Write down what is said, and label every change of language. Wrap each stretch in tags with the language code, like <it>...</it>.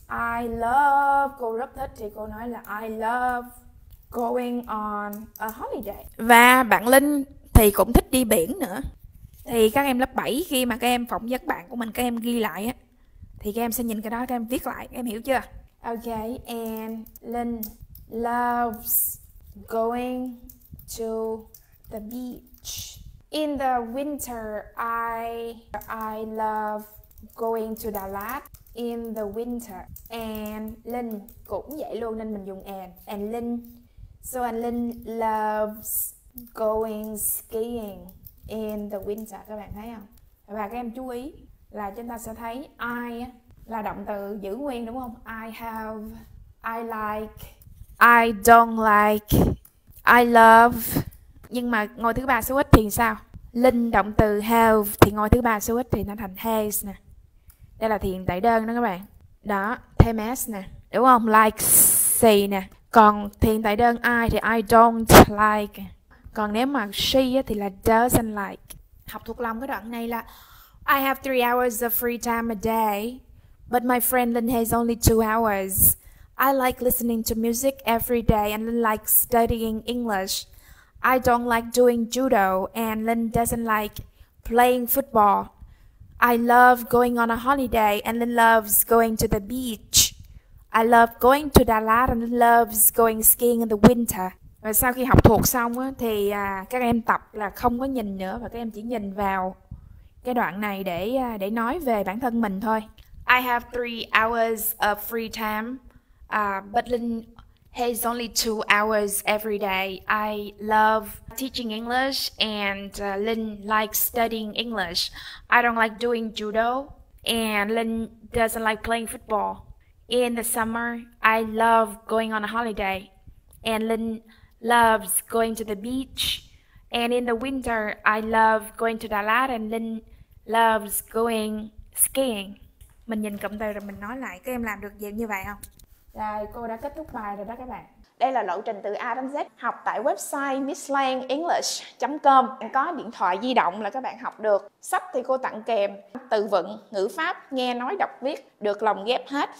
<en>I love,</en> <vi>cô rất thích thì cô nói là</vi> <en>I love going on a holiday.</en> <vi>Và bạn Linh thì cũng thích đi biển nữa. Thì các em lớp 7 khi mà các em phỏng vấn bạn của mình, các em ghi lại á, thì các em sẽ nhìn cái đó, các em viết lại, các em hiểu chưa?</vi> <en>Okay, and Lynn loves going to the beach. In the winter, I love going to Đà Lạt in the winter.</en> <vi>And Linh cũng vậy luôn, nên mình dùng and Linh.</vi> <en>So and Linh loves going skiing in the winter.</en> <vi>Các bạn thấy không? Và các em chú ý là chúng ta sẽ thấy I là động từ giữ nguyên đúng không?</vi> <en>I have, I like, I don't like, I love.</en> <vi>Nhưng mà ngôi thứ ba số ít thì sao? Linh động từ have thì ngôi thứ ba số ít thì nó thành has nè. Đây là thiền tẩy đơn đó các bạn. Đó, thêm s nè, đúng không? Like she nè. Còn thiền tẩy đơn I thì</vi> <en>I don't like.</en> <vi>Còn nếu mà she thì là doesn't like. Học thuộc lòng cái đoạn này là</vi> <en>I have 3 hours of free time a day, but my friend Linh has only 2 hours. I like listening to music every day and Linh likes studying English. I don't like doing judo and Lynn doesn't like playing football. I love going on a holiday and Lynn loves going to the beach. I love going to Đà Lạt and Lynn loves going skiing in the winter.</en> <vi>Và sau khi học thuộc xong á, thì các em tập là không có nhìn nữa và các em chỉ nhìn vào cái đoạn này để nói về bản thân mình thôi.</vi> <en>I have 3 hours of free time, but Lynn has only 2 hours every day. I love teaching English and Lynn likes studying English. I don't like doing judo and Lynn doesn't like playing football. In the summer, I love going on a holiday and Lynn loves going to the beach. And in the winter, I love going to Đà Lạt and Lynn loves going skiing.</en> <vi>Mình nhìn cụm từ rồi mình nói lại, các em làm được gì như vậy không? Rồi, cô đã kết thúc bài rồi đó các bạn. Đây là lộ trình từ A đến Z học tại website misslangenglish.com. Có điện thoại di động là các bạn học được. Sách thì cô tặng kèm từ vựng, ngữ pháp, nghe nói đọc viết được lồng ghép hết.</vi>